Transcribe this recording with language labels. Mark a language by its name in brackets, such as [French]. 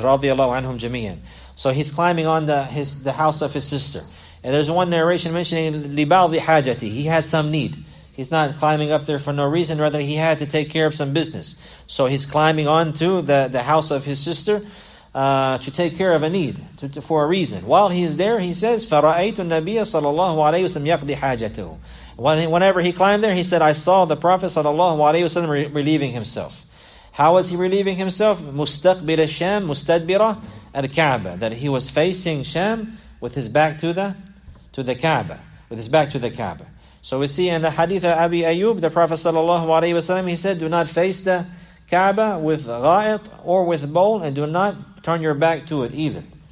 [English] Radiallahu anhum jamiyan. So he's climbing on the house of his sister. And there's one narration mentioning [Arabic] لِبَعْضِ حَاجَتِ. [English] He had some need. He's not climbing up there for no reason, rather he had to take care of some business. So he's climbing on to the house of his sister to take care of a need, for a reason. While he is there, he says, [Arabic] فَرَأَيْتُ النَّبِيَ صَلَى اللَّهُ عَلَيْهِ وَسَلَّمْ يَقْضِ حَاجَتُهُ. [English] Whenever he climbed there, he said, I saw the Prophet sallallahu alayhi wa sallam relieving himself. How was he relieving himself? [Arabic] مُسْتَقْبِلَ الشَّام مُسْتَدْبِرَ الْكَعْبَ. [English] That he was facing Sham with his back to the Kaaba, with his back to the Kaaba. So we see in the hadith of Abi Ayyub, the Prophet sallallahu alayhi wa sallam, he said, do not face the Kaaba with ghaat or with bowl, and do not turn your back to it even.